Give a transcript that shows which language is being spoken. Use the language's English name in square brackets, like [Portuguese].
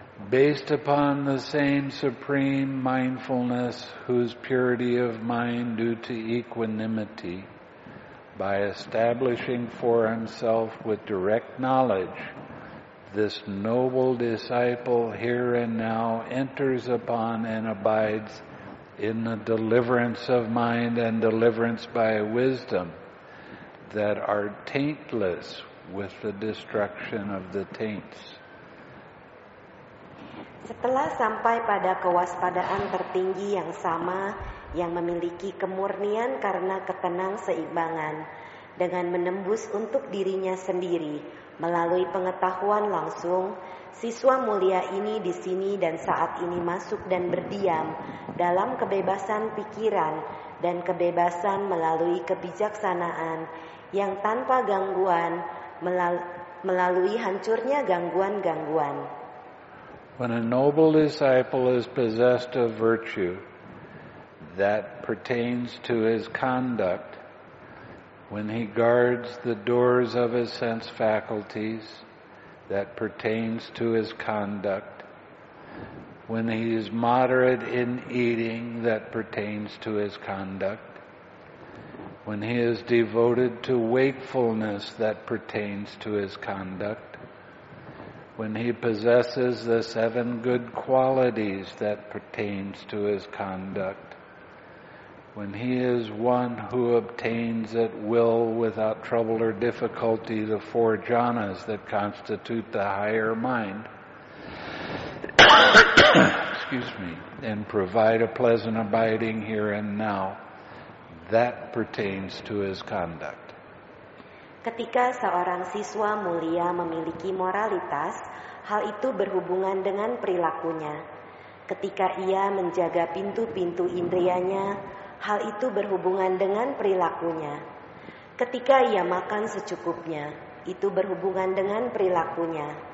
[English] Based upon the same supreme mindfulness whose purity of mind due to equanimity by establishing for himself with direct knowledge, this noble disciple here and now enters upon and abides in the deliverance of mind and deliverance by wisdom that are taintless with the destruction of the taints. [Indonesian] Setelah sampai pada kewaspadaan tertinggi yang sama, yang memiliki kemurnian karena ketenang seimbangan, dengan menembus untuk dirinya sendiri melalui pengetahuan langsung, siswa mulia ini di sini dan saat ini masuk dan berdiam dalam kebebasan pikiran dan kebebasan melalui kebijaksanaan yang tanpa gangguan melalui hancurnya gangguan-gangguan. [English] When a noble disciple is possessed of virtue that pertains to his conduct, when he guards the doors of his sense faculties that pertains to his conduct, when he is moderate in eating that pertains to his conduct, when he is devoted to wakefulness that pertains to his conduct, when he possesses the seven good qualities that pertains to his conduct, when he is one who obtains at will without trouble or difficulty the four jhanas that constitute the higher mind, excuse me, and provide a pleasant abiding here and now, that pertains to his conduct. [Indonesian] Ketika seorang siswa mulia memiliki moralitas, hal itu berhubungan dengan perilakunya. Ketika ia menjaga pintu-pintu indrianya, hal itu berhubungan dengan perilakunya. Ketika ia makan secukupnya, itu berhubungan dengan perilakunya.